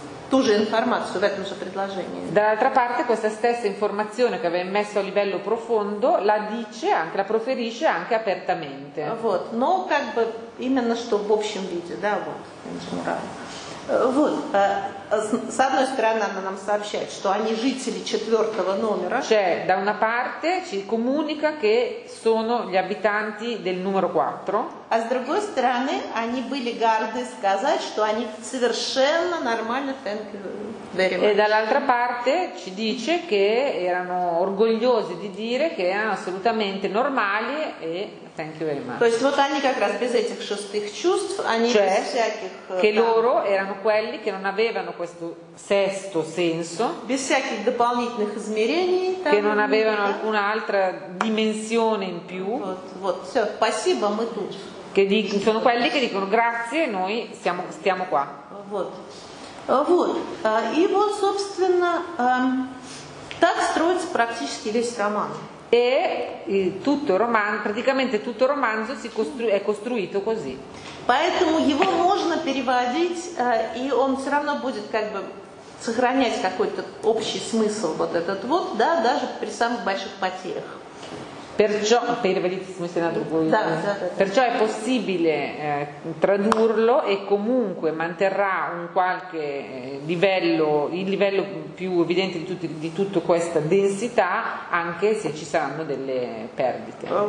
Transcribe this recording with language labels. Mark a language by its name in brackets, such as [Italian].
[Russian] Ту же информацию в этом же предложении. [Italian] Dall'altra parte questa stessa informazione che aveva messo a livello profondo la dice anche, la proferisce anche apertamente. [Russian] Вот, но как бы именно что в общем виде, да, вот, [Italian] in generale. [Russian] Вот, с одной стороны она нам сообщает, что они жители четвертого номера. [Italian] Cioè, da una parte ci comunica che sono gli abitanti del numero 4. [Russian] А с другой стороны они были горды сказать, что они совершенно нормально. [Italian] E dall'altra parte ci dice che erano orgogliosi di dire che erano assolutamente normali e [English] thank you very much. [Russian] То есть вот они как раз без этих шестых чувств, они [Italian] cioè, [Russian] без всяких. [Italian] Che там, loro erano quelli che non avevano questo sesto senso. [Russian] Без всяких дополнительных измерений. [Italian] Che non avevano alcun'altra dimensione in più. [Russian] Вот, вот, все, спасибо, мы тут. [Italian] Che dicono, sono quelli che dicono grazie, noi siamo, stiamo qua. [Russian] Вот. Вот. И вот, собственно, так строится практически весь роман. [Italian] E tutto il romanzo, praticamente tutto il romanzo si è costruito così. [Russian] Поэтому его можно переводить, и он все равно будет как бы сохранять какой-то общий смысл вот этот вот, да, даже при самых больших потерях. [Italian] Perciò, perciò è possibile tradurlo e comunque manterrà un qualche livello, il livello più evidente di tutta questa densità, anche se ci saranno delle perdite.